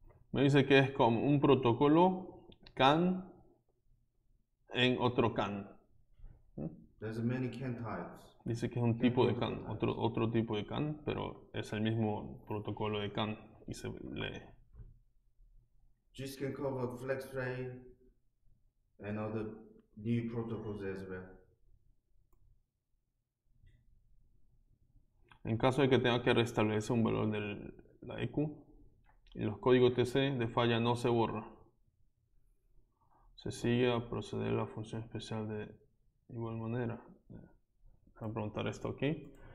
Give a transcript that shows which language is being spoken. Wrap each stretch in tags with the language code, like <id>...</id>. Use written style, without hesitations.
<es>Me dice que es como un protocolo CAN en otro CAN.</es> <en>There's many CAN types.</en> <es>Dice que es un tipo de CAN, otro tipo de CAN, pero es el mismo protocolo de CAN y se lee.</es> <en>Just can cover FlexRain and other new protocols as well.</en> <es>En caso de que tenga que restablecer un valor del la EQ y los códigos TC de falla no se borra. Se sigue a proceder la función especial de igual manera. Voy a preguntar esto aquí.</es>